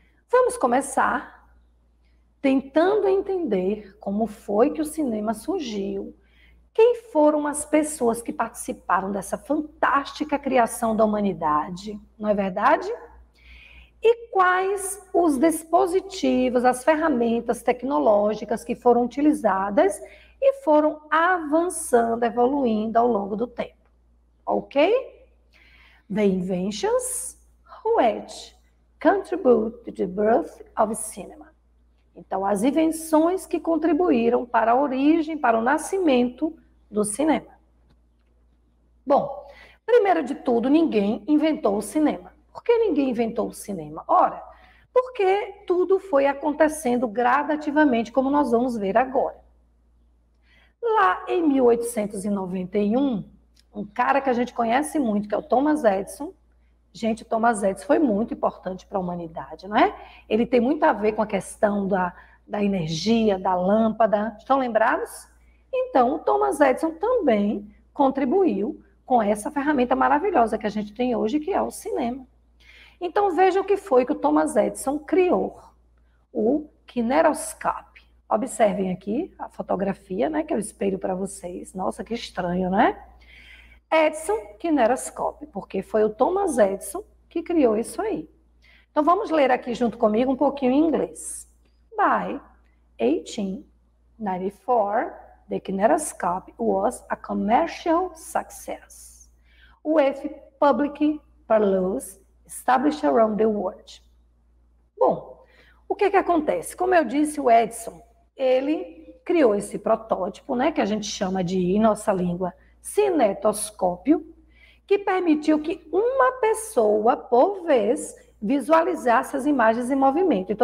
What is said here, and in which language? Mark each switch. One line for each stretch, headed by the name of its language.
Portuguese: Vamos começar tentando entender como foi que o cinema surgiu, quem foram as pessoas que participaram dessa fantástica criação da humanidade, não é verdade? E quais os dispositivos, as ferramentas tecnológicas que foram utilizadas e foram avançando, evoluindo ao longo do tempo? Ok?
English: The inventions which contribute to the birth of cinema.
Portuguese: Então, as invenções que contribuíram para a origem, para o nascimento do cinema. Bom, primeiro de tudo, ninguém inventou o cinema. Por que ninguém inventou o cinema? Ora, porque tudo foi acontecendo gradativamente, como nós vamos ver agora. Lá em 1891, Um cara que a gente conhece muito, que é o Thomas Edison. Gente, o Thomas Edison foi muito importante para a humanidade, não é? Ele tem muito a ver com a questão da energia, da lâmpada. Estão lembrados? Então, o Thomas Edison também contribuiu com essa ferramenta maravilhosa que a gente tem hoje, que é o cinema. Então, veja o que foi que o Thomas Edison criou: o kinetoscópio. Observem aqui a fotografia, né, que eu espelho para vocês. Nossa, que estranho, né? Edison kinetoscópio, porque foi o Thomas Edison que criou isso aí. Então vamos ler aqui junto comigo um pouquinho em inglês.
English: By 1894, the kinetoscope was a commercial success, with public parlance established around the world.
Portuguese: Bom, o que que acontece? Como eu disse, o Edison, ele criou esse protótipo, né, que a gente chama de, em nossa língua, cinetoscópio, que permitiu que uma pessoa por vez visualizasse as imagens em movimento.